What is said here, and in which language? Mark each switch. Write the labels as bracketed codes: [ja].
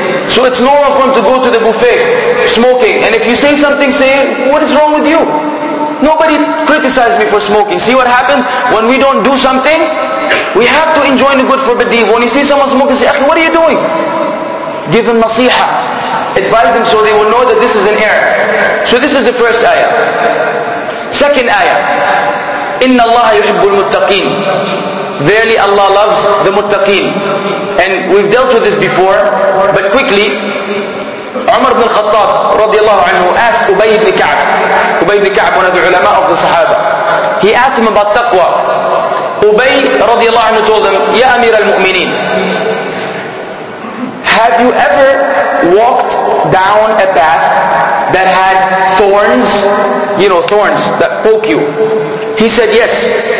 [en] So it's normal for them to go to the buffet smoking. And if you say something, say, what is wrong with you? Nobody criticized me for smoking. See what happens? When we don't do something, we have to enjoin the good forbid evil. When you see someone smoking, say, what are you doing? Give them nasiha. Advise them so they will know that this is an error. So this is the first ayah. Second ayah, [ar] إِنَّ اللَّهَ يُحِبُّ الْمُتَّقِينَ. [en] Verily Allah loves the muttaqeen. And we've dealt with this before, but quickly, Umar ibn al-Khattab radiallahu anhu asked Ubay ibn Ka'b. Ubay ibn Ka'b, one of the ulama of the Sahaba. He asked him about taqwa. Ubay radiallahu anhu told him, [ar] يَا أَمِيرَ الْمُؤْمِنِينَ, [en] have you ever walked down a path that had thorns, you know, thorns that poke you? He said, yes.